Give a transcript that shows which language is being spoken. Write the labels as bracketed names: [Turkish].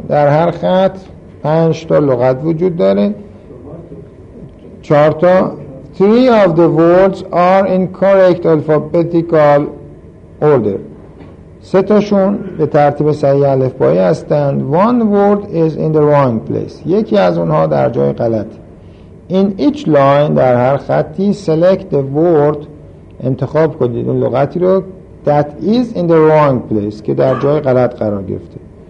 [Persian] در هر خط پنج تا لغت وجود داره. چارتا. [English] Three of the words are in correct alphabetical order. [Persian] سه تاشون به ترتیب صحیح الفبایی هستند. [English] One word is in the wrong place. [Persian] یکی از اونها در جای غلط. [English] In each line [Persian] در هر خطی [English] select the word، [Persian] انتخاب کنید اون لغتی رو، [English] that is in the wrong place، [Persian] که در جای غلط قرار گرفته.